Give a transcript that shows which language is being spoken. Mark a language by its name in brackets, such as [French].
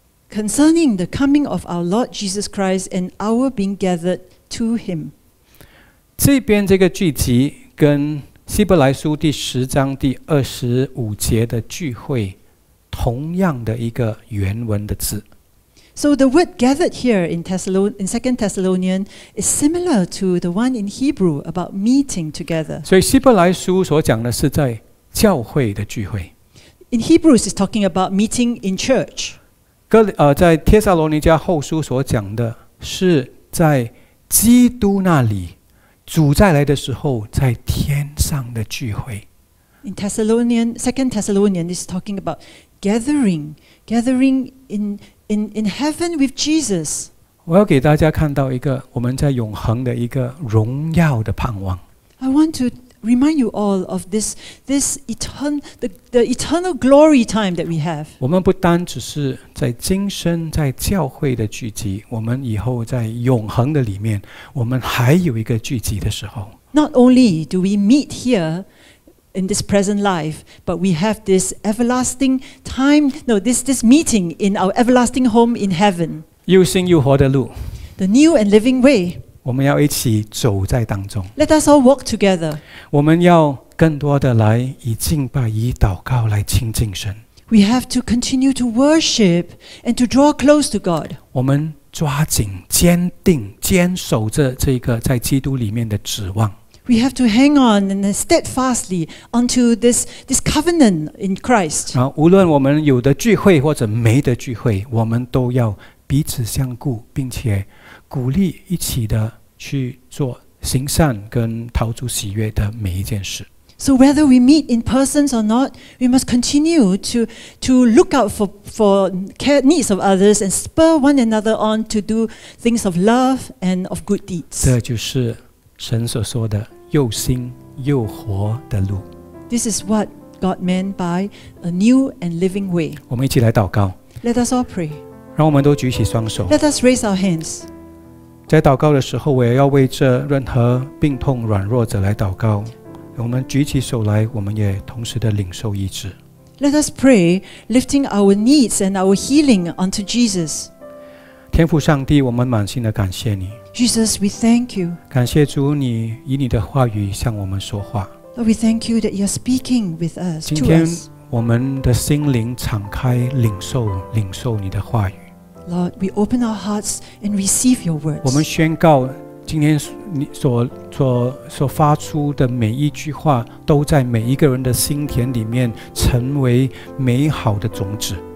[English] Concerning the coming of our Lord Jesus Christ and our being gathered to him. [Chinese] 这边这个聚集跟希伯来书第十章第二十五节的聚会同样的一个原文的字。 [English] So the word gathered here in 2 Thessalonians is similar to the one in Hebrew about meeting together. [Chinese] 所以希伯来书所讲的是在教会的聚会。 [English] In Hebrews, it's talking about meeting in church. [Chinese] 在帖撒罗尼迦后书所讲的是在基督那里，主再来的时候在天上的聚会。 [English] In Thessalonians, 2 Thessalonians is talking about gathering in heaven with Jesus. [Chinese] 我要给大家看到一个我们在永恒的一个荣耀的盼望。 [English] I want to remind you all of this eternal glory time that we have. [Chinese] 我们不单只是在今生在教会的聚集，我们以后在永恒的里面，我们还有一个聚集的时候。 [English] Not only do we meet here. In this present life, but we have this everlasting time. No, this meeting in our everlasting home in heaven. [Chinese] 又新又活的路 [English] the new and living way. [Chinese] 我们要一起走在当中 [English] Let us all walk together. [Chinese] 我们要更多的来以敬拜、以祷告来亲近神 [English] We have to continue to worship and to draw close to God. [Chinese] 我们抓紧、坚定、坚守着这个在基督里面的指望。 [English] We have to hang on and steadfastly onto this covenant in Christ. [Chinese] 无论我们有的聚会或者没的聚会，我们都要彼此相顾，并且鼓励一起的去做行善跟讨主喜悦的每一件事。 [English] So whether we meet in person or not, we must continue to look out for care needs of others and spur one another on to do things of love and of good deeds. [Chinese] 这就是神所说的又新又活的路。 [English] This is what God meant by a new and living way. [Chinese] 我们一起来祷告。 [English] Let us all pray. [Chinese] 让我们都举起双手。 [English] Let us raise our hands. [Chinese] 在祷告的时候，我也要为这任何病痛软弱者来祷告。我们举起手来，我们也同时的领受医治。 [English] Let us pray, lifting our needs and our healing unto Jesus. [Chinese] 天父上帝，我们满心的感谢你。 [English] Jesus, we thank you. [Chinese] 感谢主，你以你的话语向我们说话。 [English] Lord, we thank you that you are speaking with us. [Chinese] 今天我们的心灵敞开，领受你的话语。 [English] Lord, we open our hearts and receive your words. [Chinese] 我们宣告。今天你 所发出的每一句话都在每一个人的心田里面成为美好的种子。